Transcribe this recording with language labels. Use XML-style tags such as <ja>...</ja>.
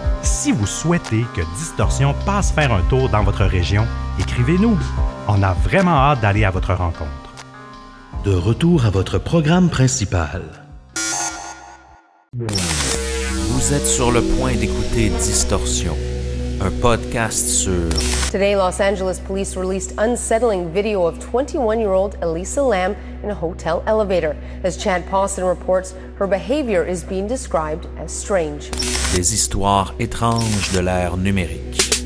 <fr>Si vous souhaitez que Distorsion passe faire un tour dans votre région, écrivez-nous. On a vraiment hâte d'aller à votre rencontre. De retour à votre programme principal. Vous êtes sur le point d'écouter Distorsion. Un podcast sur...</fr> <en>Today, Los Angeles police released unsettling video of 21-year-old Elisa Lam in a hotel elevator. As Chad Pawson reports, her behavior is being described as strange.</en> <fr>Des histoires étranges de l'ère numérique.</fr>